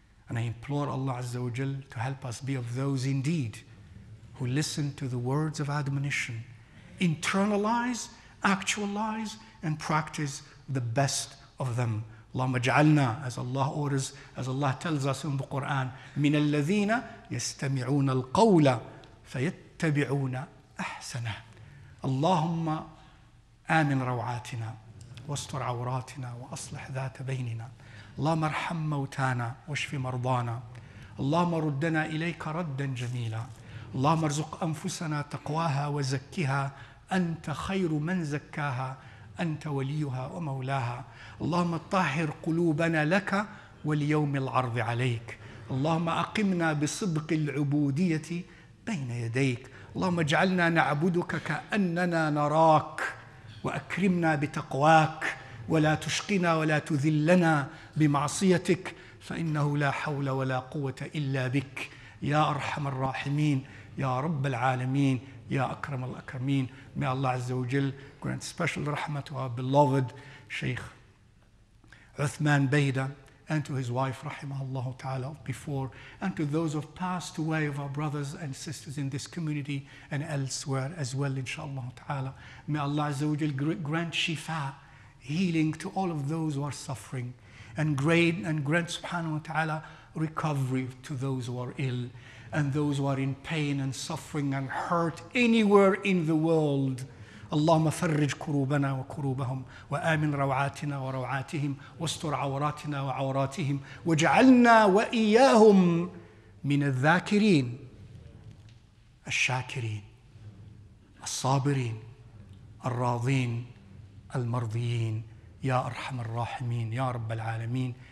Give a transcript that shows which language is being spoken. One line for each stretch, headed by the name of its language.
English: And I implore Allah Azza wa Jal to help us be of those indeed who listen to the words of admonition, internalize, actualize, and practice the best of them.
Arabic: اللهم اجعلنا,
English: as Allah orders, as Allah tells us in the Quran,
Arabic: من الذين يستمعون القول فيتبعون أحسنه. اللهم آمن روعاتنا واستر عوراتنا وأصلح ذات بيننا. اللهم ارحم موتانا واشف مرضانا. اللهم ردنا إليك ردا جميلا. اللهم ارزق أنفسنا تقواها وزكها, أنت خير من زكاها, أنت وليها ومولاها. اللهم طهر قلوبنا لك واليوم العرض عليك. اللهم أقمنا بصدق العبودية بين يديك. اللهم اجعلنا نعبدك كأننا نراك, وأكرمنا بتقواك, ولا تشقنا ولا تذلنا بمعصيتك, فإنه لا حول ولا قوة إلا بك يا أرحم الراحمين, يا رب العالمين, يا أكرم الأكرمين.
English: May Allah Azza wa Jal grant special rahmah to our beloved Shaykh Uthman Bayda and to his wife, rahimahullah ta'ala, before, and to those who have passed away of our brothers and sisters in this community and elsewhere as well, inshaAllah ta'ala. May Allah Azza wa Jal grant shifa, healing to all of those who are suffering, and grant subhanahu wa ta'ala recovery to those who are ill, and those who are in pain and suffering and hurt anywhere in the world.
Arabic: اللهم فرج كروبنا وكروبهم وآمن روعاتنا وروعاتهم واستر عوراتنا وعوراتهم واجعلنا وإياهم من الذاكرين الشاكرين الصابرين الراضين المرضيين يا أرحم الراحمين يا رب العالمين.